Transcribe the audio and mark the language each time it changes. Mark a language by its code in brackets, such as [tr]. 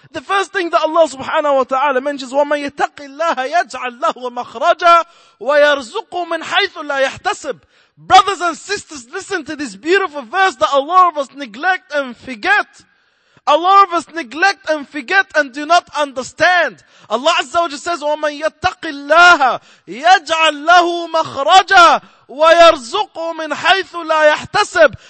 [en] The first thing that Allah subhanahu wa ta'ala mentions, [ar] وَمَنْ يَتَقِ اللَّهَ يَجْعَلْ لَهُ مَخْرَجًا وَيَرْزُقُ مِنْ حَيْثُ لَا يَحْتَسِبْ. [en] Brothers and sisters, listen to this beautiful verse that a lot of us neglect and forget. A lot of us neglect and forget and do not understand. Allah Azza wa Jalla says, [ar] وَمَن يَتَّقِ اللَّهَ يَجْعَلْ لَهُ مَخْرَجًا وَيَرْزُقُهُ مِنْ حَيْثُ لَا يَحْتَسِبُ.